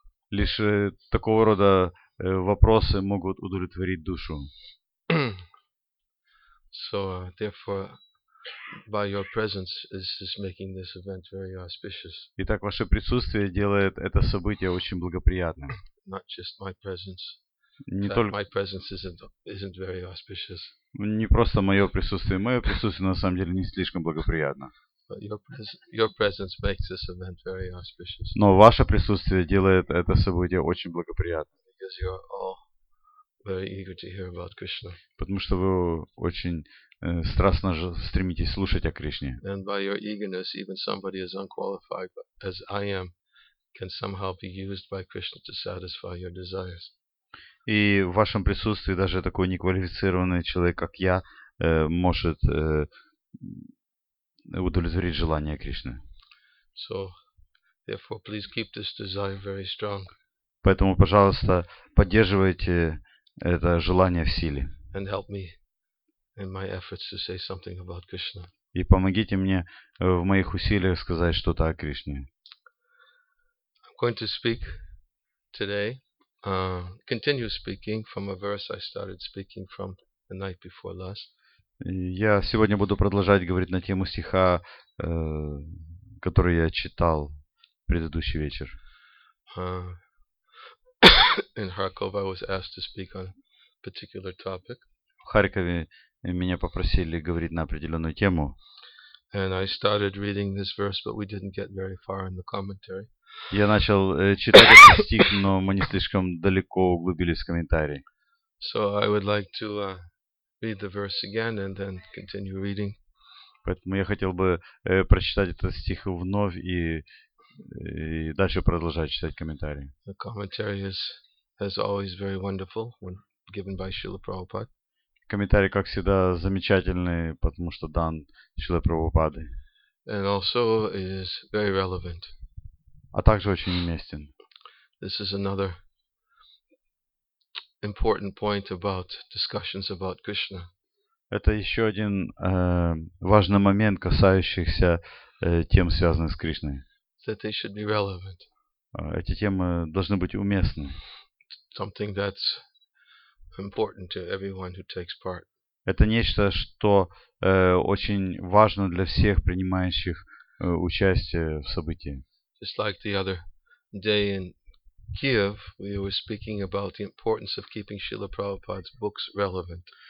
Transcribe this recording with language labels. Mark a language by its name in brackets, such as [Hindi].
[Russian] Лишь такого рода вопросы могут удовлетворить душу. [English] So, therefore, by your presence, this is making this event very auspicious. [Russian] Итак, ваше присутствие делает это событие очень благоприятным. [English] Not just my presence. [Russian] Не только. [English] My presence isn't very auspicious. [Russian] Не просто мое присутствие. Мое присутствие на самом деле не слишком благоприятно. [English] But your presence makes this event very auspicious. [Russian] Но ваше присутствие делает это событие очень благоприятным. [English] Because you are all very eager to hear about Krishna. [Russian] Потому что вы очень страстно же стремитесь слушать о Кришне. [English] And by your eagerness, even somebody as unqualified as I am can somehow be used by Krishna to satisfy your desires. [Russian] И в вашем присутствии даже такой неквалифицированный человек, как я, может удовлетворить желание Кришны. [English] So, therefore, please keep this desire very strong. [Russian] Поэтому, пожалуйста, поддерживайте это желание в силе. [English] And help me in my efforts to say something about Krishna. [Russian] И помогите мне в моих усилиях сказать что-то о Кришне. [English] I'm going to speak today, continue speaking from a verse I started speaking from the night before last. [Russian] Я сегодня буду продолжать говорить на тему стиха, который я читал предыдущий вечер. [English] In Kharkov I was asked to speak on a particular topic. [Russian] В Харькове меня попросили говорить на определенную тему. [English] And I started reading this verse, but we didn't get very far in the commentary. [Russian] Я начал читать этот стих, но мы не слишком далеко углубились в комментарии. [English] So I would like to read the verse again and then continue reading. [Russian] Поэтому я хотел бы прочитать этот стих вновь и дальше продолжать читать комментарии. [English] The commentary is as always very wonderful when given by Srila Prabhupada. [Russian] Комментарий, как всегда, замечательный, потому что дан Шрила Прабхупадой. [English] And also is very relevant. [Russian] А а также очень уместен. [English] This is another important point about discussions about Krishna. [Russian] Это еще один важный момент, касающийся тем, связанных с Кришной. [English] That they should be relevant. [Russian] Эти темы должны быть уместны. [English] Something that's important to everyone who takes part. [Russian] Это нечто, что очень важно для всех принимающих участие в событии. [English] Just like the other day in Kiev, we were speaking about the importance of keeping Srila Prabhupada's books relevant.